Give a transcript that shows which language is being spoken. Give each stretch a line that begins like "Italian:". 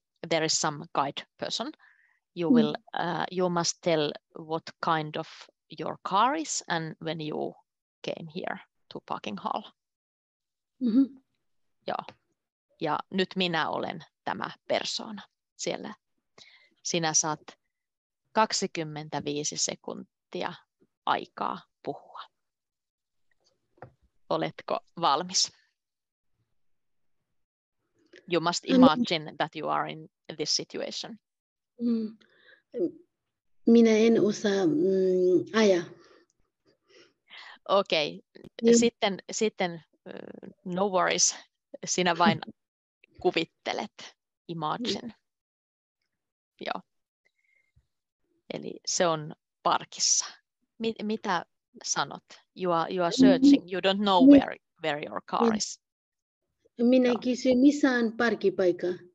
English: There is some guide person. You will. You must tell what kind of your car is and when you came here to parking hall. Mm-hmm.
Finnish: Joo. Ja nyt minä olen tämä persona siellä. Sinä saat 25 sekuntia aikaa puhua. Oletko valmis?
English: You must imagine that you are in this situation.
Finnish: Minä en osaa ajaa. Okei. Sitten
English: no worries.
Finnish: Sinä vain kuvittelet,
English: imagine.
Finnish: Joo. Eli se on parkissa. Mitä sanot?
English: You are searching. You don't know where your car is.
Finnish: Minä kysyn, missä on parkkipaikka?